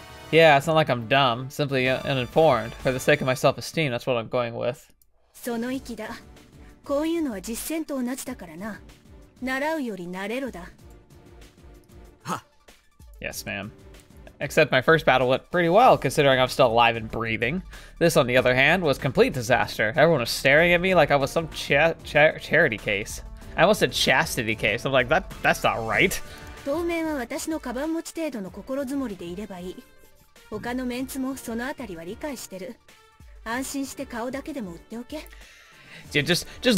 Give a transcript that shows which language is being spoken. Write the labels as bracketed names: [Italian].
[English] Yeah, it's not like I'm dumb, simply uninformed. For the sake of my self-esteem, that's what I'm going with. [Japanese] その息だ。こういうのは実戦と同じだからな。習うより慣れろだ。 [English] Yes, ma'am. Except my first battle went pretty well, considering I'm still alive and breathing. This, on the other hand, was complete disaster. Everyone was staring at me like I was some charity case. I almost said chastity case. I'm like, that's not right. Yeah, just